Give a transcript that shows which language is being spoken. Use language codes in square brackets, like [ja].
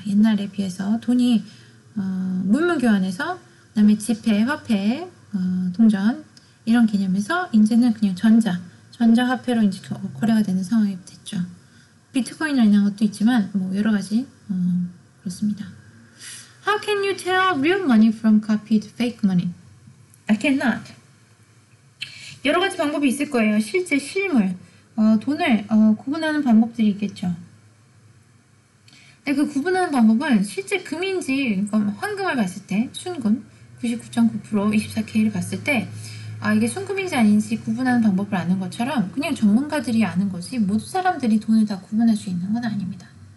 [ko] 옛날에 비해서 돈이 물물교환해서 그다음에 지폐, 화폐, 동전 이런 개념에서 이제는 그냥 전자화폐로 이제 거래가 되는 상황이 됐죠. 비트코인이나 이런 것도 있지만 뭐 여러 가지 그렇습니다. [en] How can you tell real money from copied fake money? I cannot. [ko] 여러 가지 방법이 있을 거예요. 실제 실물, 돈을 구분하는 방법들이 있겠죠. 근데 그 구분하는 방법은 실제 금인지 황금을 봤을 때 순금 99.9% 24K를 봤을 때 이게 순금인지 아닌지 구분하는 방법을 아는 것처럼 그냥 전문가들이 아는 거지 모든 사람들이 돈을 다 구분할 수 있는 건 아닙니다.